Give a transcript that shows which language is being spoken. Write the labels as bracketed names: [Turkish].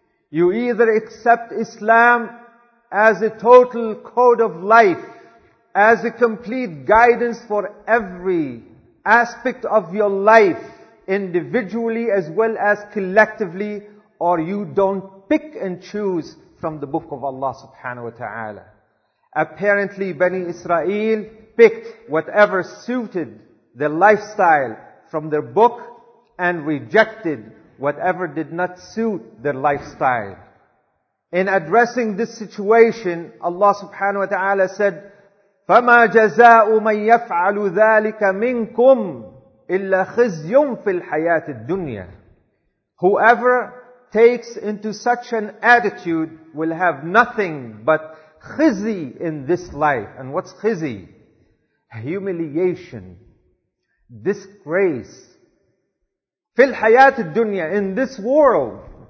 [English] You either accept Islam as a total code of life, as a complete guidance for every aspect of your life, individually as well as collectively, or you don't pick and choose from the book of Allah subhanahu wa ta'ala. Apparently, Bani Israel picked whatever suited their lifestyle from their book and rejected whatever did not suit their lifestyle. In addressing this situation, Allah subhanahu wa ta'ala said, [Arabic] فَمَا جَزَاءُ مَنْ يَفْعَلُ ذَٰلِكَ مِنْكُمْ إِلَّا خِزْيٌ فِي الْحَيَاةِ الدُّنْيَا. [English] Whoever takes into such an attitude will have nothing but khizi in this life. And what's khizi? Humiliation, disgrace. [Arabic] فِي الْحَيَاةِ الدُّنْيَا, [English] in this world.